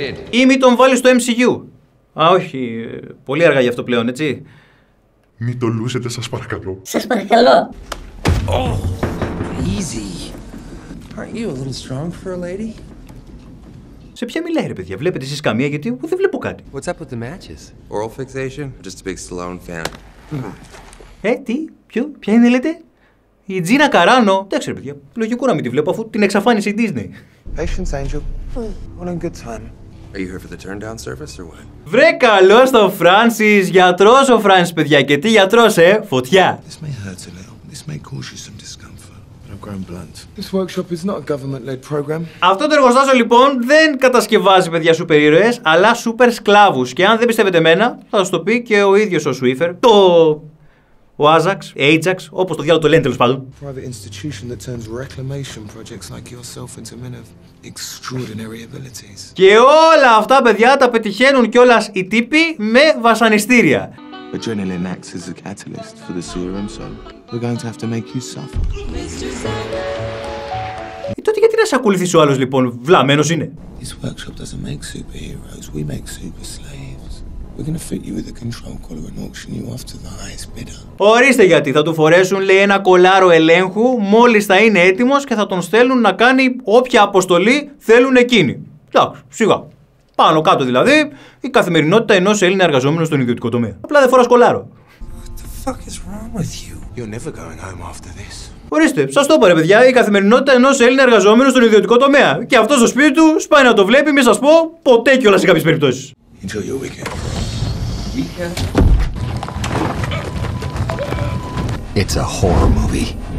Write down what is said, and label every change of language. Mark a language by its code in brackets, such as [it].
[el] Ή μη τον βάλεις στο MCU. Α, όχι, πολύ αργά γι' αυτό πλέον, έτσι. Μη τολούσετε, σας παρακαλώ. Σας παρακαλώ. [en] Oh, easy. Aren't you a little strong for a lady? [el] Σε ποια μιλάει, ρε παιδιά, βλέπετε εσείς καμία, γιατί εγώ δεν βλέπω κάτι. [en] What's up with the matches? Oral fixation? I'm just a big Stallone fan. [el] Ε, τι, ποια είναι, λέτε? Η Τζίνα Καράνο. Δεν ξέρω, παιδιά, λογικό να μην τη βλέπω, αφού την εξαφάνισε η Disney. [en] Patience, Angel. What a good time. Are you here for the turn-down service or what? [el] Βρε καλός το Francis, γιατρός ο Francis, παιδιά, και τι γιατρός, ε, φωτιά. [en] This may hurt a little. This may cause you some discomfort. But I've grown blunt. This workshop is not a government-led program. [el] Αυτό το εργοστάσιο, λοιπόν, δεν κατασκευάζει, παιδιά, σούπερ ήρωες, αλλά σούπερ σκλάβους. Και αν δεν πιστεύετε εμένα, θα σας το πει και ο ίδιος ο Swiffer. Το... ο Άζαξ, Ajax, όπως το διάλογο το λένε τέλος πάντων. [en] Private institution that turns reclamation projects like yourself into men of extraordinary abilities. [el] Και όλα αυτά, παιδιά, τα πετυχαίνουν κιόλας οι τύποι με βασανιστήρια. [en] Adrenaline acts as a catalyst for the serum, so we're going to have to make you suffer. [el] Τότε γιατί να σε ακολουθήσει ο άλλος, λοιπόν, βλαμμένος είναι. [en] This workshop doesn't make superheroes, we make super slaves. We're gonna fit you with a control collar and auction you off to the highest bidder. [el] Ορίστε γιατί, θα του φορέσουν, λέει, ένα κολάρο ελέγχου μόλις θα είναι έτοιμος και θα τον στέλνουν να κάνει όποια αποστολή θέλουν εκείνοι. Εντάξει, σιγά. Πάνω κάτω δηλαδή, η καθημερινότητα ενός Έλληνα εργαζόμενου στον ιδιωτικό τομέα. Απλά δεν φοράς κολάρο. [en] What the fuck is wrong with you? You're never going home after this. [el] Ορίστε, σας το είπα, ρε παιδιά, η καθημερινότητα ενός Έλληνα εργαζόμενου στον ιδιωτικό τομέα. Και αυτό στο σπίτι του σπάει να το βλέπει, μην σας πω, ποτέ κιόλας σε κάποιες περιπτώσεις. [en] Until your weekend. It's a horror movie.